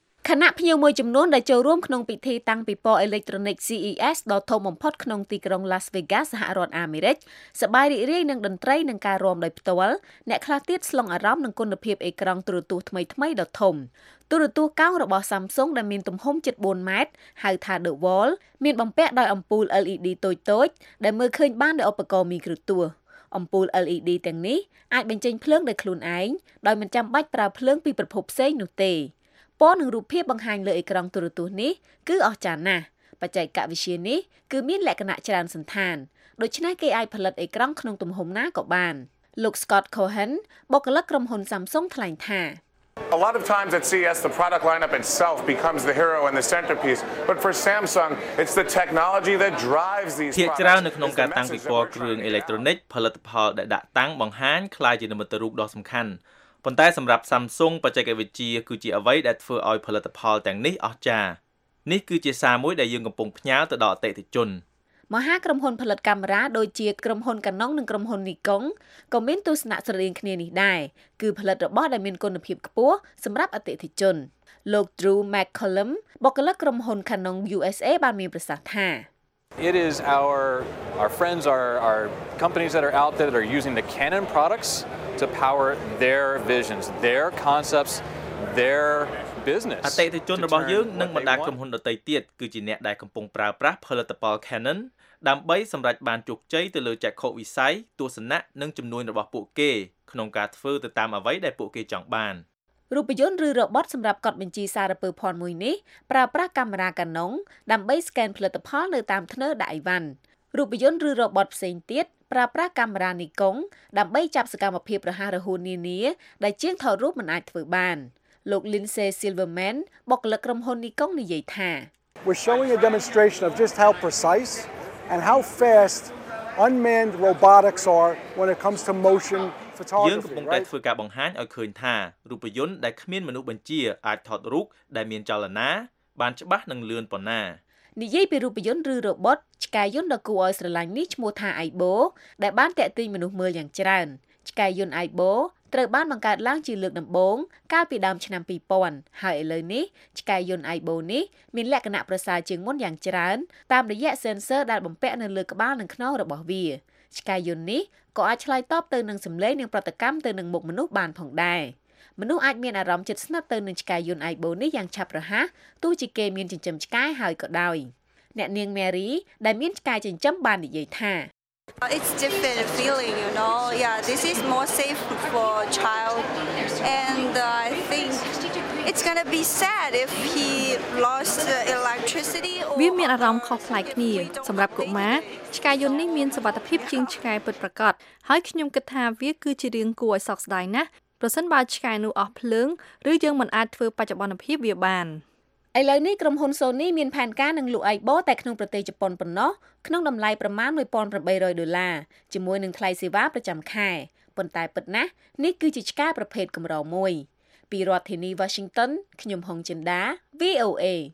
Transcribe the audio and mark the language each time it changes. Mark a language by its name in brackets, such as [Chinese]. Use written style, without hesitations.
[Khmer] ខណៈភ្ញៀវមួយចំនួនដែលចូលរួមក្នុងពិធីតាំងពិព័រណ៍អេឡិចត្រូនិក CES ដ៏ធំបំផុតក្នុងទីក្រុង Las Vegas សហរដ្ឋអាមេរិកសប្បាយរីករាយនឹងតន្ត្រីនិងការរាំដោយផ្ទាល់អ្នកខ្លះទៀតស្លុងអារម្មណ៍នឹងគុណភាពអេក្រង់ទូរទស្សន៍ថ្មីៗដ៏ធំទូរទស្សន៍កោងរបស់ Samsung ដែលមានទំហំជិត4ម៉ែត្រហៅថា The Wall មានបំពាក់ដោយអំពូល LED តូចៗដែលមើលឃើញបានដោយឧបករណ៍មីក្រូទស្សន៍អំពូល LED ទាំងនេះអាចបញ្ចេញភ្លើងដោយខ្លួនឯងដោយមិនចាំបាច់ប្រើភ្លើងពីប្រភពផ្សេងនោះទេ ពណ៌និងរូបភាពបង្ហាញលើអេក្រង់ទូរទស្សន៍នេះគឺអស្ចារ្យណាស់បច្ចេកវិទ្យានេះគឺមានលក្ខណៈច្រើនសន្តានដូច្នេះគេអាចផលិតអេក្រង់ក្នុងទំហំណាក៏បានលោក Scott Cohen បុគ្គលិកក្រុមហ៊ុន Samsung ថ្លែងថា [English] A lot of times at CES the product lineup itself becomes the hero and the centerpiece but for Samsung it's the technology that drives these products [Khmer] ជាច្រើននៅក្នុងការតាំងពិព័រណ៍គ្រឿងអេឡិចត្រូនិកផលិតផលដែលដាក់តាំងបង្ហាញខ្លាយជានិមិត្តរូបដ៏សំខាន់ប៉ុន្តែសម្រាប់ Samsung បច្ចេកវិទ្យាគឺជាអ្វីដែលធ្វើឲ្យផលិតផលទាំងនេះអស្ចារ្យនេះគឺជាសារមួយដែលយើងកំពុងផ្ញើទៅដល់អតិថិជន មហាក្រុមហ៊ុនផលិតកាមេរ៉ាដូចជាក្រុមហ៊ុន Canon និងក្រុមហ៊ុន Nikon ក៏មានទស្សនៈស្រដៀងគ្នានេះដែរគឺផលិតរបស់ដែលមានគុណភាពខ្ពស់សម្រាប់អតិថិជនលោក Drew McCollum បុគ្គលិកក្រុមហ៊ុន Canon USA បានមានប្រសាសន៍ថា [English] It is our friends our companies that are out there that are using the Canon products to power their visions their concepts their business [Khmer] អតិថិជនរបស់យើងនិងបណ្ដាក្រុមហ៊ុនដទៃទៀតគឺជាអ្នកដែលកំពុងប្រើប្រាស់ផលិតផល Canon ដើម្បីសម្រេចបានជោគជ័យទៅលើចក្ខុវិស័យទស្សនៈនិងចំនួនរបស់ពួកគេក្នុងការធ្វើទៅតាមអ្វីដែលពួកគេចង់បាន រូបយន្តឬរបត់សម្រាប់កត់បញ្ជីសារពើភ័ណ្ឌមួយនេះប្រើប្រាស់កាមេរ៉ា Canon ដើម្បី scan ផលិតផលនៅតាមធ្នើដាក់អីវ៉ាន់រូបយន្តឬរបត់ផ្សេងទៀតប្រើប្រាស់កាមេរ៉ា Nikon ដើម្បីចាប់សកម្មភាពរហ័សរហួននានាដែលជាងថតរូបមិនអាចធ្វើបានលោក Lindsay Silverman បុគ្គលិកក្រុមហ៊ុន Nikon និយាយថា [English] We're showing a demonstration of just how precise and how fast unmanned robotics are when it comes to motion [Khmer] យើងកំពុងតែធ្វើការបង្ហាញឲ្យឃើញថារូបយន្តដែលគ្មានមនុស្សបញ្ជាអាចថតរូបដែលមានចលនាបានច្បាស់និងលឿនប៉ុណ្ណានិយាយពីរូបយន្តឬរ៉ូបូតឆ្កែយន្តដ៏គួរឲ្យស្រឡាញ់នេះឈ្មោះថា Aibo ដែលបានទាក់ទាញមនុស្សមើលយ៉ាងច្រើនឆ្កែយន្ត Aibo ត្រូវបានបង្កើតឡើងជាលើកដំបូងកាលពីដើមឆ្នាំ2000ហើយឥឡូវនេះឆ្កែយន្ត Aibo នេះមានលក្ខណៈប្រសើរជាងមុនយ៉ាងច្រើនតាមរយៈ Sensor ដែលបំពាក់នៅលើក្បាលនិងខ្នងរបស់វាឆ្កែយន្តនេះក៏អាចឆ្លើយតបទៅនឹងសម្លេងនិងប្រតិកម្មទៅនឹងមុខមនុស្សបានផងដែរ មនុស្សអាចមានអារម្មណ៍ជិតស្និទ្ធទៅនឹងឆ្កែយន្ត Aibo នេះយ៉ាងឆាប់រហ័សទោះជាគេមានចិញ្ចឹមឆ្កែហើយក៏ដោយអ្នកនាងមេរីដែលមានឆ្កែចិញ្ចឹមបាននិយាយថា [English] It's different feeling, you know. Yeah, this is more safe for child, and I think it's gonna be sad if he lost the electricity. [Khmer] វាមានអារម្មណ៍ខុសផ្លាយគ្នាសម្រាប់កុមារឆ្កែយន្តនេះមានសុវត្ថិភាពជាងឆ្កែពិតប្រាកដហើយខ្ញុំគិតថាវាគឺជារឿងគួរឲ្យសោកស្ដាយណាស់ប្រសិនបើឆ្កែនោះអស់ភ្លើងឬយើងមិនអាចធ្វើបច្ចុប្បន្នភាពវាបាន ឥឡូវនេះក្រុមហ៊ុន Sony មានផែនការនឹងលក់ iPhone តែក្នុងប្រទេសជប៉ុនប៉ុណ្ណោះក្នុងតម្លៃប្រមាណ$1,800ជាមួយនឹងថ្លៃសេវាប្រចាំខែប៉ុន្តែពិតណាស់នេះគឺជាឆ្កែប្រភេទកម្រមួយពីរដ្ឋធានី Washington ខ្ញុំហុងចិនដា VOA